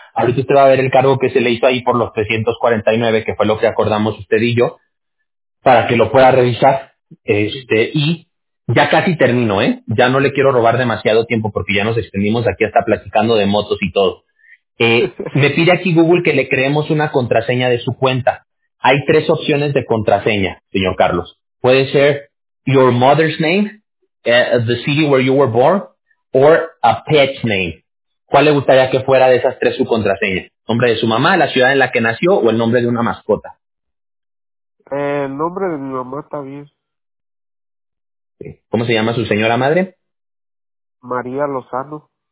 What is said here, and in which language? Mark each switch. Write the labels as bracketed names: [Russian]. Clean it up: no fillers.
[Spanish] Ahorita usted va a ver el cargo que se le hizo ahí por los 349, que fue lo que acordamos usted y yo, para que lo pueda revisar. Y ya casi termino, ¿eh? Ya no le quiero robar demasiado tiempo porque ya nos extendimos aquí hasta platicando de motos y todo. Me pide aquí Google que le creemos una contraseña de su cuenta. Hay 3 opciones de contraseña, señor Carlos. Puede ser [English] your mother's name, the city where you were born, or a pet's name. [Spanish] ¿Cuál le gustaría que fuera de esas 3 su contraseña? ¿Nombre de su mamá, la ciudad en la que nació o el nombre de una mascota? El nombre de mi mamá está bien. ¿Cómo se llama su señora madre? María Lozano.